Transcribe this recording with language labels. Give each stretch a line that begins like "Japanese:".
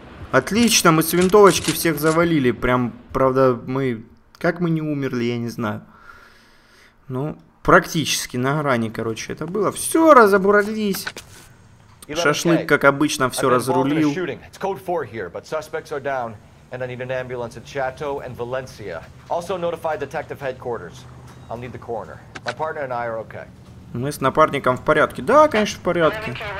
Russian: Отлично, мы с винтовочки всех завалили. Прям, правда, мы... Как мы не умерли, я не знаю. Ну, практически на грани, короче, это было. Все, разобрались! Шашлык, как обычно, все разрулил.
English: It's code 4 here, but suspects are down, and I need an ambulance at Chateau and Valencia. Also notify detective headquarters. I'll need the coroner. My partner and I are okay.
Russian: Мы с напарником в порядке. Да, конечно, в порядке.